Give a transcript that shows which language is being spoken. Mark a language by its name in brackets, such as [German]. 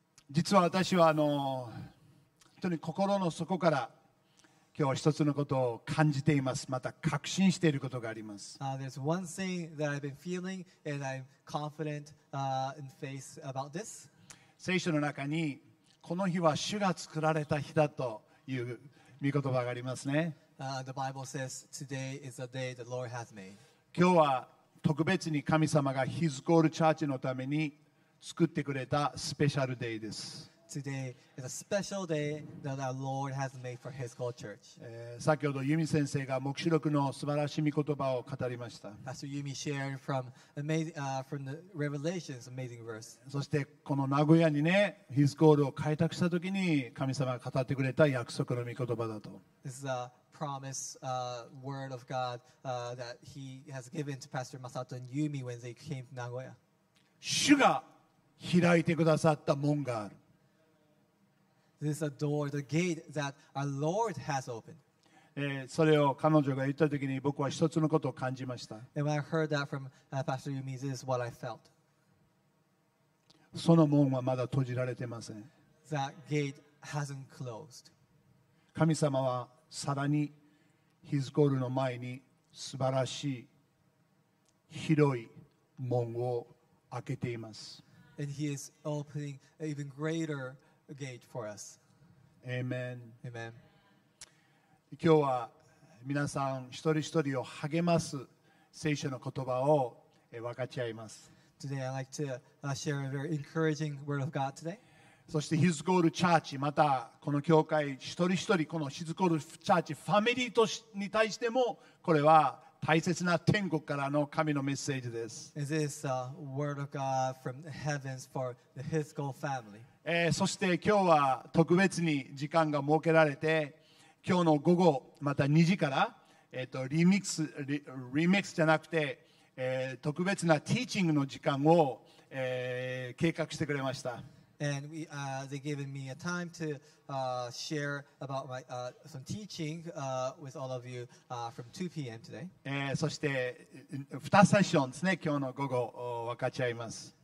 [Japanese] 実は私は本当に心の底から今日一つのことを感じています。また確信していることがあります。 [English] There's one thing that I've been feeling and I'm confident in faith about this. [Japanese] 聖書の中にこの日は主が作られた日だという御言葉がありますね。 [English] The Bible says, today is the day the Lord has made. [Japanese] 今日は特別に神様が His Call Church のために作ってくれたスペシャルデイです。 [English] Today is a special day that our Lord has made for His Call Church. [Japanese] 先ほど由美先生が黙示録の素晴らしい御言葉を語りました。 [English] Pastor Yumi shared from amazing, from the Revelations, amazing verse. [Japanese] そしてこの名古屋にね、His Call を開拓したときに神様が語ってくれた約束の御言葉だと。 [English] This is a promise, word of God, that He has given to Pastor Masato and Yumi when they came to Nagoya. [Japanese] 主が開いてくださった門がある。 [English] This is a door, the gate that our Lord has opened. [Japanese] それを彼女が言った時に僕は一つのことを感じました。 [English] And when I heard that from Pastor Yumi, this is what I felt. [Japanese] その門はまだ閉じられてません。 [English] That gate hasn't closed. [Japanese] 神様はさらに His Call の前に素晴らしい広い門を開けています。 [English] And He is opening an even greater doorGate for us. Amen. Amen. [Japanese] 今日は皆さん一人一人を励ます聖書の言葉を分かち合います。 [English] Today I'd like to share a very encouraging word of God today. [Japanese] そして His Call Church またこの教会一人一人この His Call Church ファミリーとに対してもこれは大切な天国からの神のメッセージです。 [English] Is this a word of God from the heavens for the His Call family? [Japanese] そして今日は特別に時間が設けられて今日の午後また2時から、リミックスじゃなくて、特別なティーチングの時間を、計画してくれました。 [English] And we, they've given me a time to share about my, some teaching with all of you from 2pm today、 [Japanese] そして2セッションですね。今日の午後分かち合います。